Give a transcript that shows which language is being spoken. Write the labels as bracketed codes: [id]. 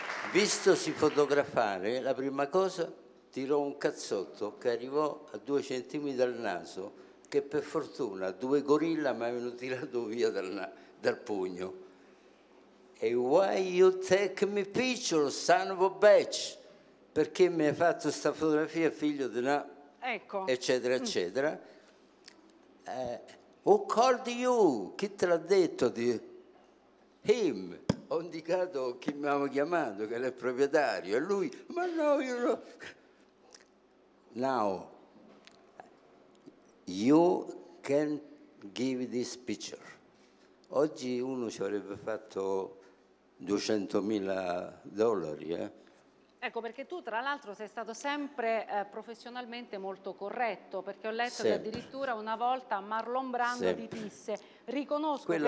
[it] Vistosi fotografare, la prima cosa tirò un cazzotto che arrivò a 2 centimetri dal naso, che per fortuna due gorilla mi avevano tirato via dal pugno. [en] E why you take me picture, son of a bitch? [it] Perché mi hai fatto questa fotografia, figlio di una... Ecco. Eccetera, eccetera. [en] Who called you? [it] Chi te l'ha detto di... [en] Him. [it] Ho indicato chi mi aveva chiamato, che era il proprietario, e lui: ma no, io no. [en] Now, you can give this picture. [it] Oggi uno ci avrebbe fatto $200,000, eh? Ecco, perché tu tra l'altro sei stato sempre professionalmente molto corretto, perché ho letto che addirittura una volta Marlon Brando ti disse: riconosco quella